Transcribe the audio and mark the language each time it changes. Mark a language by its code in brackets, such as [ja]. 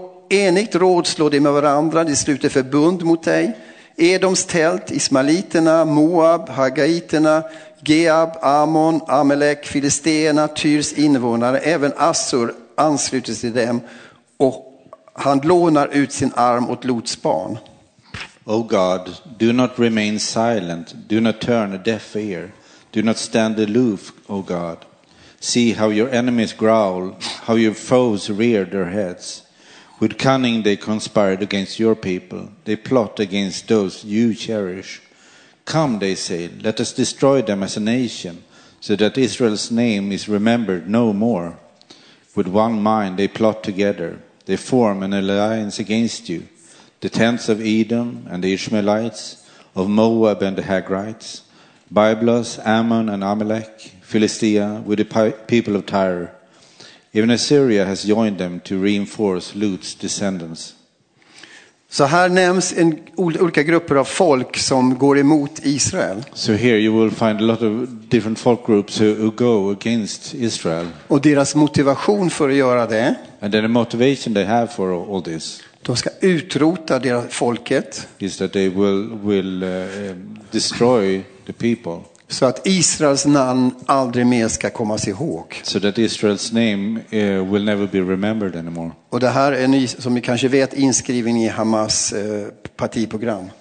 [sv] Enligt rådslår de med varandra, de sluter förbund mot dig. Edoms tält, ismaeliterna, Moab, Hagaiterna, Geab, Ammon, Amalek, Filisterna, Tyrs invånare, även Assur ansluter sig till dem och han lånar ut sin arm åt Lots barn. [en] O God, do not remain silent, do not turn a deaf ear, do not stand aloof, O God. See how your enemies growl, how your foes rear their heads. With cunning they conspired against your people, they plot against those you cherish. Come, they say, let us destroy them as a nation, so that Israel's name is remembered no more. With one mind they plot together, they form an alliance against you, the tents of Edom and the Ishmaelites, of Moab and the Hagrites, Byblos, Ammon and Amalek, Philistia with the people of Tyre. Even Assyria has joined them to reinforce Lut's descendants. [sv] Så här nämns en olika grupper av folk som går emot Israel. [en] So here you will find a lot of different folk groups who go against Israel. [sv] Och deras motivation för att göra det. [en] And the motivation they have for all this. [sv] De ska utrota deras folket. [en] Is that they will destroy the people. [sv] Så att Israels namn aldrig mer ska komma ihåg. [en] So that Israel's name will never be remembered anymore. [sv] Och det här är, som ni kanske vet, inskriven i Hamas partiprogram.